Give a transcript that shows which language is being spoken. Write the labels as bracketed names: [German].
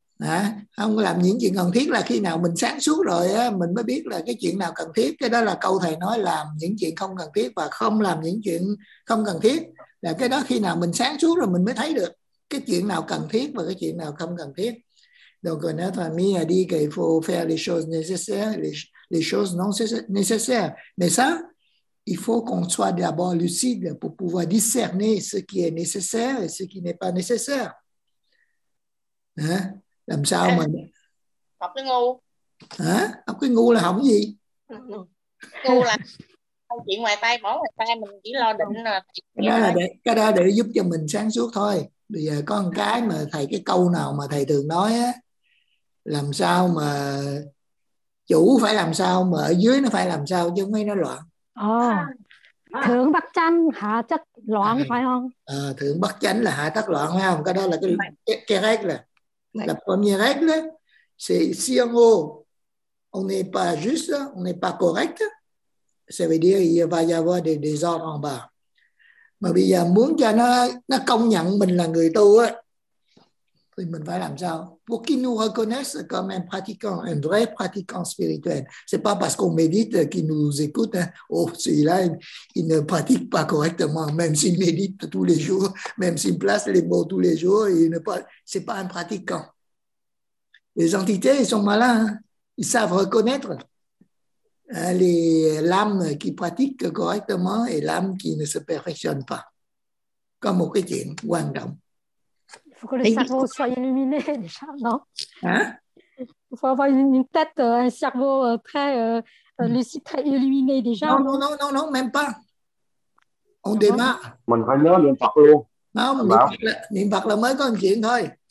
[Vietnamese] à, không làm những chuyện cần thiết là khi nào mình sáng suốt rồi á, mình mới biết là cái chuyện nào cần thiết. Cái đó là câu thầy nói, làm những chuyện không cần thiết và không làm những chuyện không cần thiết, là cái đó khi nào mình sáng suốt rồi mình mới thấy được cái chuyện nào cần thiết và cái chuyện nào không cần thiết. [French] Donc on a famille dit qu'il faut faire les choses nécessaires, les choses non nécessaires, mais ça il faut qu'on soit d'abord lucide pour pouvoir discerner ce qui est nécessaire et ce qui n'est pas nécessaire. [Vietnamese] Hein? Làm sao mà học cái ngu. Hả? Học cái ngu là học gì? Ngu là không chuyện ngoài tay, bỏ ngoài tay, mình chỉ lo định là... cái đó để giúp cho mình sáng suốt thôi. Bây giờ có một cái mà thầy, cái câu nào mà thầy thường nói á, làm sao mà chủ phải làm sao mà ở dưới nó phải làm sao chứ mấy nó loạn. Thượng bắt chánh hạ chất loạn phải không? Thượng bắt chánh là hạ chất loạn phải không? Cái đó là cái règle. [French] La première règle, c'est si en haut on n'est pas juste, on n'est pas correct, ça veut dire il va y avoir des désordres en bas. [Vietnamese] Mà bây giờ muốn cho nó công nhận mình là người tu á, thì mình phải làm sao? [French] Pour qu'ils nous reconnaissent comme un pratiquant, un vrai pratiquant spirituel. C'est pas parce qu'on médite qu'ils nous écoutent. Oh, celui-là, il ne pratique pas correctement, même s'il médite tous les jours, même s'il place les mots tous les jours, c'est pas un pratiquant. Les entités, ils sont malins. Hein? Ils savent reconnaître l'âme qui pratique correctement et l'âme qui ne se perfectionne pas. Comme au chrétien, Wangdam. Il faut que le cerveau soit illuminé déjà, non? Hein? Il faut avoir une tête, un cerveau très lucide, très illuminé déjà. Non, même pas. On démarre. [Vietnamese] Mình phải nhớ niệm Phật luôn. Non, niệm Phật là mới có một chuyện thôi.